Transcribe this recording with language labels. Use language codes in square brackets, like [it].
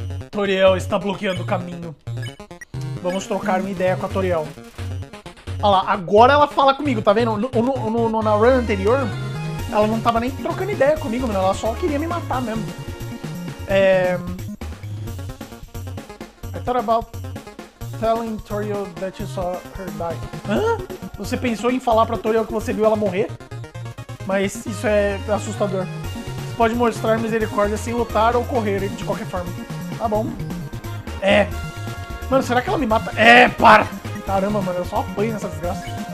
[pt] Toriel está bloqueando o caminho. Vamos trocar uma ideia com a Toriel. Olha lá, agora ela fala comigo, tá vendo? Na run anterior, ela não tava nem trocando ideia comigo, mano. Ela só queria me matar mesmo. [en] I thought about telling Toriel that you saw her die. [pt] Hã? Você pensou em falar pra Toriel que você viu ela morrer? Mas isso é assustador. Você pode mostrar misericórdia sem lutar ou correr, de qualquer forma. Tá bom. Mano, será que ela me mata? Para! Caramba, mano, eu só apanho nessa desgraça.